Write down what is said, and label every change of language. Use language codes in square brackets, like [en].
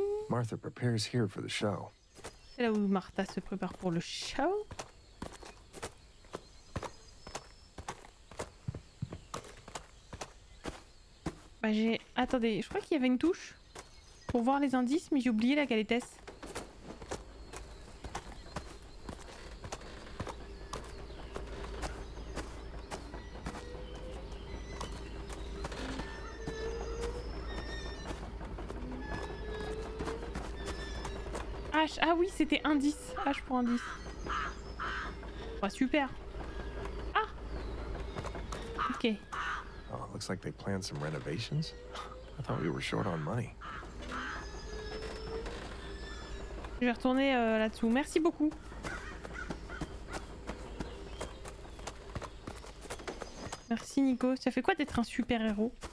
[en] Martha prepares here for the show. [fr] C'est là où Martha se prépare pour le show. Bah j'ai... Attendez, je crois qu'il y avait une touche pour voir les indices, mais j'ai oublié la galettesse. H, ah oui, c'était indice. H pour indice. Bah super. Ah. Ok. [en] Oh, looks like they planned some renovations. I thought we were short on money. [fr] Je vais retourner là-dessous. Merci beaucoup. Merci Nico. Ça fait quoi d'être un super-héros?